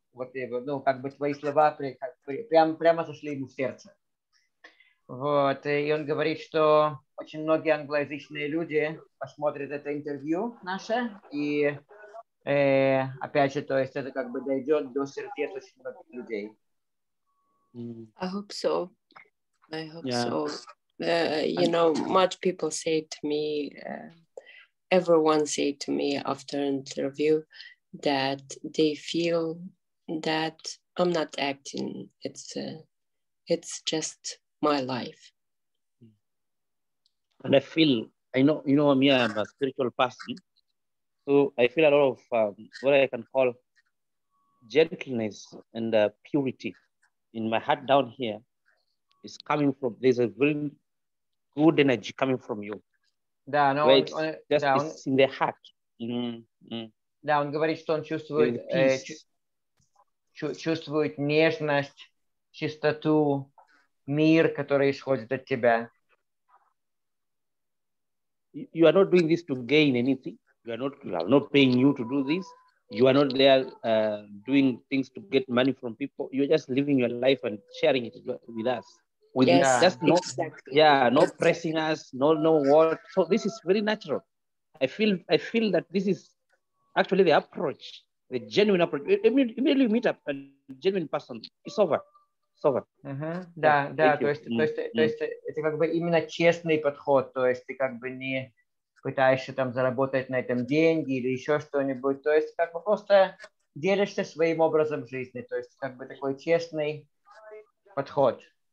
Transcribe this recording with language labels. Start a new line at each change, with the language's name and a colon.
Russian: Вот, ну, как бы твои слова прямо зашли ему в сердце. Вот, и он говорит, что очень многие англоязычные люди посмотрят это интервью наше, и опять же, то есть это как бы дойдет до сердец очень многих людей.
English: I hope so. You know, much people say to me, everyone say to me after interview that they feel that I'm not acting. It's just my life. And I feel, you know, me, I'm a spiritual person. So I feel a lot of what I can call gentleness and purity in my heart down here is coming from, there's a very good energy coming from you.
Russian: Да, но
English: it's in the heart.
Russian: Да, он говорит, что он чувствует чувствует нежность, чистоту, мир, который исходит от тебя.
English: You are not doing this to gain anything. I'm not paying you to do this. You are not there doing things to get money from people. You're just living your life and sharing it with us. With yes, just exactly. No pressing us, no what. So this is very natural. I feel that this is actually the approach, the genuine approach. I mean, immediately you meet up a genuine person, it's over.
Russian: Это как бы именно честный подход. То есть ты как бы не пытаешься там заработать на этом деньги или еще что-нибудь. То есть как бы просто делишься своим образом жизни. То есть как бы такой честный подход.